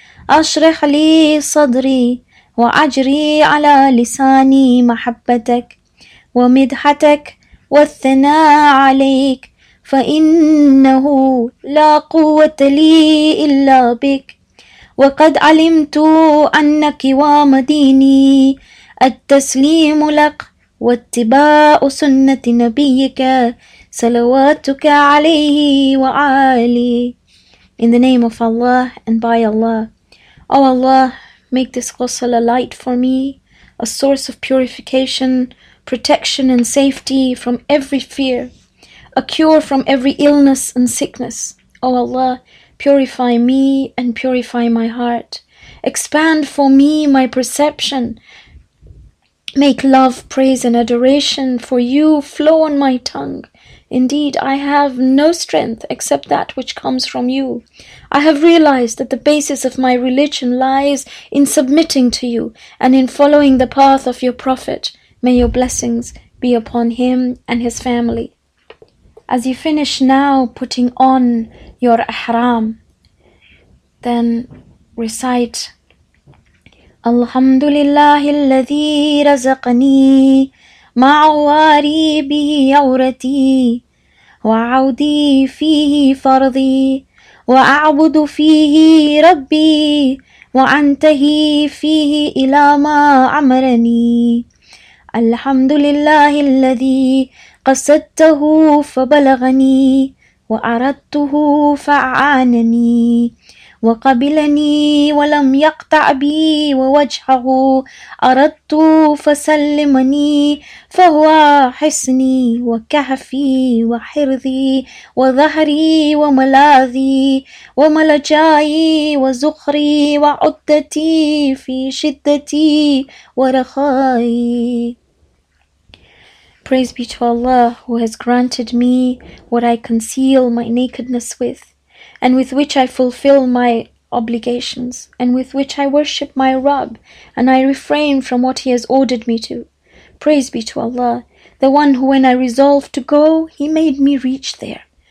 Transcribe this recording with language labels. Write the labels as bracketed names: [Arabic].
[Arabic] أشرح لي صدري وأجري على لساني محبتك ومدحتك والثناء عليك فإنه لا قوة لي إلا بك وقد علمت أنك ومديني التسليم لك واتباع سنة نبيك صلواتك عليه وعلي. [English] In the name of Allah and by Allah. O Allah, make this ghusl a light for me, a source of purification, protection and safety from every fear, a cure from every illness and sickness. O Allah, purify me and purify my heart. Expand for me my perception. Make love, praise and adoration for you flow on my tongue. Indeed, I have no strength except that which comes from you. I have realized that the basis of my religion lies in submitting to you and in following the path of your prophet. May your blessings be upon him and his family. As you finish now putting on your ihram, then recite, [Arabic] Alhamdulillahilladhi razaqani ma'awaribi awrati وعودي فيه فرضي وأعبد فيه ربي وأنتهي فيه إلى ما أمرني الحمد لله الذي قصدته فبلغني وأردته فأعانني وقبلني ولم يقطع بي ووجهه أردت فسلمني فهو حسني وكهفي وحرذي وظهري وملاذي وملجاي وزخري وعدتي في شدتي ورخائي. [English] Praise be to Allah who has granted me what I conceal my nakedness with, and with which I fulfill my obligations, and with which I worship my Rabb, and I refrain from what he has ordered me to. Praise be to Allah, the one who, when I resolved to go, he made me reach there.